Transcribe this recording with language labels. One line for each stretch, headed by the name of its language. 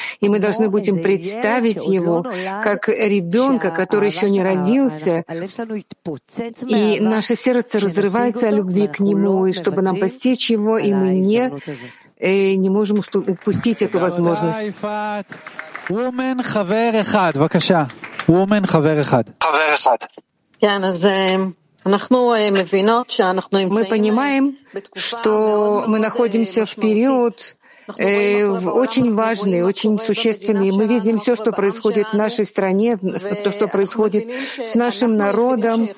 Russian: И мы должны будем представить его как ребенка, который еще не родился, и наше сердце разрывается о любви к нему, и чтобы нам постичь его, и мы не можем упустить эту возможность.
Hebrew: Woman, חבר אחד, בבקשה. Woman, חבר אחד. חבר אחד. כן, אז...
Russian: Мы понимаем, что мы находимся в период очень важный, очень существенный. Мы видим все, что происходит в нашей стране, то, что происходит с нашим народом.